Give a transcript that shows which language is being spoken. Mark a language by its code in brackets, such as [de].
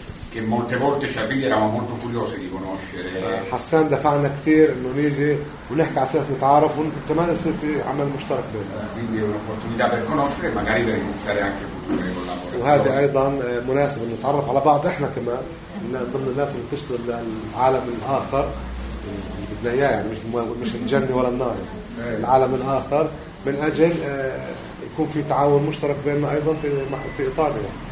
[it] Che molte volte ci avvicinava, eravamo molto curiosi di conoscere. [ar] Hassan da fa'na كتير انه نيجي ونحكي على اساس نتعرف وكمان يصير في عمل مشترك بيننا. [it] Quindi è un'opportunità per conoscere e magari per iniziare anche future collaborazioni. [ar] وهذا ايضا مناسب انه نتعرف على بعض احنا كمان ضمن الناس اللي بتشتغل العالم الاخر اللي بدنا اياه، يعني مش الجنة ولا النار، العالم الاخر، من اجل يكون في تعاون مشترك بيننا ايضا في ايطاليا.